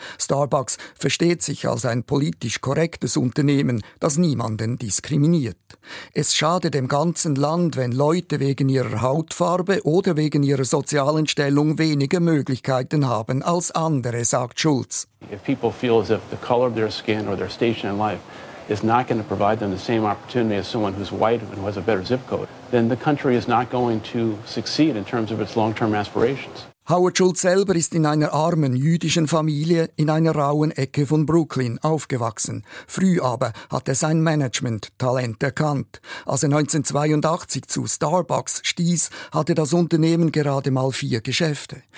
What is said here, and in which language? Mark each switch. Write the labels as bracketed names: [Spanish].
[German] Starbucks versteht sich als ein politisch korrektes Unternehmen, das niemanden diskriminiert. Es schade dem ganzen Land, wenn Leute wegen ihrer Hautfarbe oder wegen ihrer sozialen Stellung weniger Möglichkeiten haben als andere, sagt Schulz. [English] If people feel as if the color of their skin or their station in life is not going to provide them the same opportunity as someone who's white and who has a better zip code, then the country is not going to succeed in terms of its long-term aspirations. [German] Howard Schultz selber ist in einer armen jüdischen Familie in einer rauen Ecke von Brooklyn aufgewachsen. Früh aber hat er sein Management-Talent erkannt. Als er 1982 zu Starbucks stieß, hatte das Unternehmen gerade mal 4 Geschäfte.